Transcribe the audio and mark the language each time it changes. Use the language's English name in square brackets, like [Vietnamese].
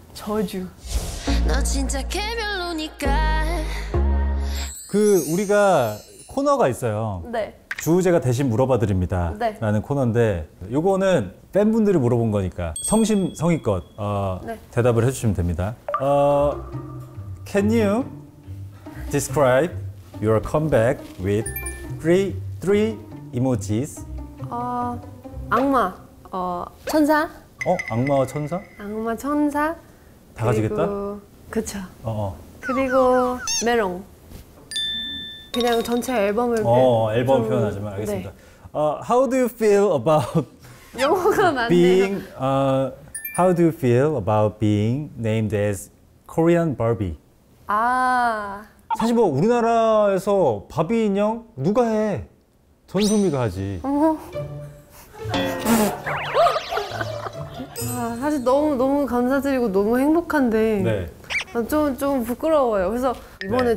[Korean] 저주. 너 진짜 개별로니까. 그 우리가 코너가 있어요. 네. 주우재가 대신 물어봐 드립니다. 네. 라는 코너인데 요거는 팬분들이 물어본 거니까 성심성의껏 네. 대답을 해주시면 됩니다. [English] Can you describe your comeback with three emojis? [Korean] 악마, 천사. 어? 악마와 천사? 악마, 천사. 다 가지겠다? 그쵸. 어어. 그리고 메롱. 그냥 전체 앨범을 앨범 좀... 표현하지만 알겠습니다. [English] 네. How do you feel about [Korean] 영어가 많네요. [English] Being How do you feel about being named as Korean Barbie? 아 [Korean] 사실 뭐 우리나라에서 바비 인형 누가 해? 전소미가 하지. 사실 너무 너무 감사드리고 너무 행복한데. 네. 좀 부끄러워요. 그래서 이번에 네.